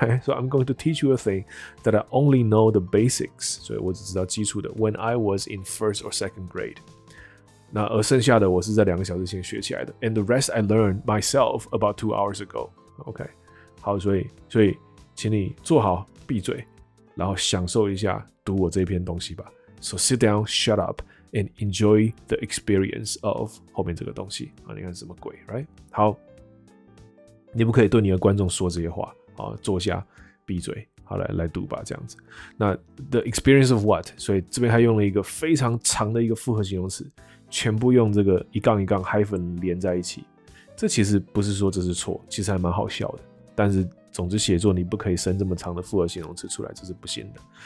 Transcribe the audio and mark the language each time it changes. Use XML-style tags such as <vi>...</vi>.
<en>说、so、I'm going to teach you a thing that I only know the basics.</en> <zh>所以我只知道基础的。</zh> <en>When I was in first or second grade,</en> <zh>那而剩下的我是在两个小时前学起来的。</zh> <en>And the rest I learned myself about 2 hours ago.</en> <zh>OK, 好，所以请你坐好，闭嘴，然后享受一下读我这篇东西吧。</zh> <en>So sit down, shut up, and enjoy the experience of</en> <zh>后面这个东西啊。你看什么鬼 ？Right? 好。你不可以对你的观众说这些话，坐下闭嘴，好，来读吧，这样子。</zh> <en>那 the experience of what?</en> <zh>所以这边还用了一个非常长的一个复合形容词，全部用这个一杠一杠 hyphen 连在一起。这其实不是说这是错，其实还蛮好笑的。但是总之写作你不可以生这么长的复合形容词出来，这是不行的。</zh>